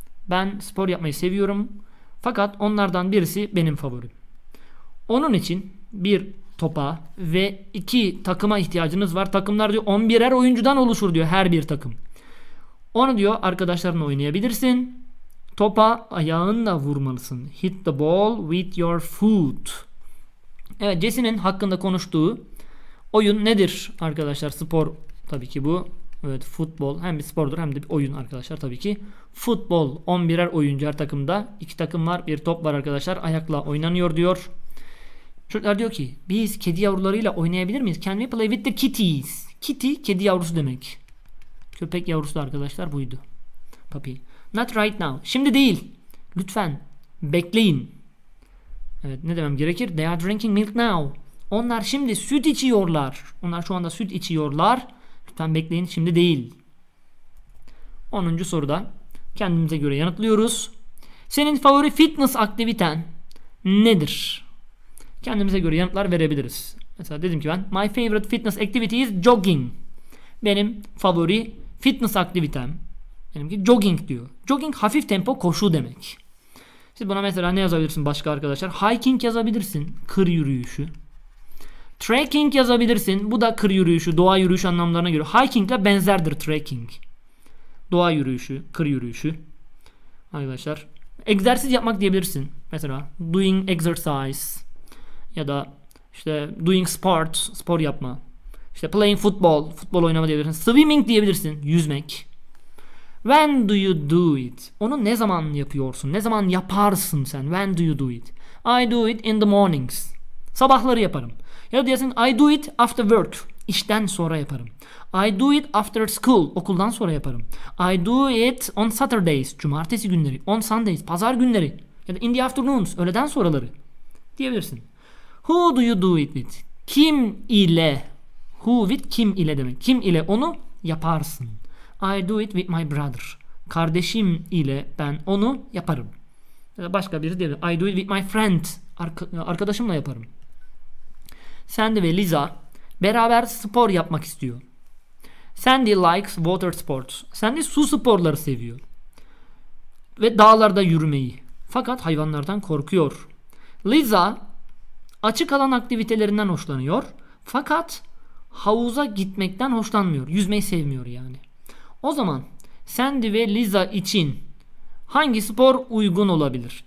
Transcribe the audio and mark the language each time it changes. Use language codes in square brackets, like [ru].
[tr] Ben spor yapmayı seviyorum. Fakat onlardan birisi benim favorim. Onun için bir topa ve iki takıma ihtiyacınız var. Takımlar diyor 11'er oyuncudan oluşur diyor her bir takım. Onu diyor arkadaşlarınla oynayabilirsin. Topa ayağınla vurmalısın. [en] Hit the ball with your foot. [tr] Evet, Jesse'nin hakkında konuştuğu oyun nedir arkadaşlar? Spor tabii ki bu. Evet, futbol hem bir spordur hem de bir oyun arkadaşlar tabii ki. Futbol 11'er oyuncu her takımda. İki takım var, bir top var arkadaşlar. Ayakla oynanıyor diyor. Çocuklar diyor ki biz kedi yavrularıyla oynayabilir miyiz? [en] Can we play with the kitties? [tr] Kitty kedi yavrusu demek. Köpek yavrusu da arkadaşlar buydu. Papi. [en] Not right now. [tr] Şimdi değil. Lütfen bekleyin. Evet, ne demem gerekir? [en] They are drinking milk now. [tr] Onlar şimdi süt içiyorlar. Onlar şu anda süt içiyorlar. Lütfen bekleyin, şimdi değil. 10. soruda kendimize göre yanıtlıyoruz. Senin favori fitness aktiviten nedir? Kendimize göre yanıtlar verebiliriz. Mesela dedim ki ben [en] my favorite fitness activity is jogging. [tr] Benim favori fitness aktivitem benimki jogging diyor. Jogging hafif tempo koşu demek. Siz buna mesela ne yazabilirsin başka arkadaşlar? Hiking yazabilirsin. Kır yürüyüşü. Trekking yazabilirsin. Bu da kır yürüyüşü, doğa yürüyüşü anlamlarına göre. Hiking'le benzerdir trekking. Doğa yürüyüşü, kır yürüyüşü. Arkadaşlar, egzersiz yapmak diyebilirsin. Mesela [en] doing exercise [tr] ya da işte [en] doing sport, [tr] spor yapma. İşte [en] playing football, [tr] futbol oynama diyebilirsin. Swimming diyebilirsin, yüzmek. [en] When do you do it? [tr] Onu ne zaman yapıyorsun? Ne zaman yaparsın sen? [en] When do you do it? I do it in the mornings. [tr] Sabahları yaparım. Ya diyorsun [en] I do it after work. [tr] İşten sonra yaparım. [en] I do it after school. [tr] Okuldan sonra yaparım. [en] I do it on Saturdays. [tr] Cumartesi günleri. [en] On Sundays. [tr] Pazar günleri. Ya da [en] in the afternoons. [tr] Öğleden sonraları. Diyebilirsin. [en] Who do you do it with? [tr] Kim ile? [en] Who with [tr] kim ile demek. Kim ile onu yaparsın. [en] I do it with my brother. [tr] Kardeşim ile ben onu yaparım. Ya da başka biri diyebilir. [en] I do it with my friend. [tr] Arkadaşımla yaparım. Sandy ve Liza beraber spor yapmak istiyor. [en] Sandy likes water sports. [tr] Sandy su sporları seviyor. Ve dağlarda yürümeyi. Fakat hayvanlardan korkuyor. Liza açık alan aktivitelerinden hoşlanıyor. Fakat havuza gitmekten hoşlanmıyor. Yüzmeyi sevmiyor yani. O zaman Sandy ve Liza için hangi spor uygun olabilir?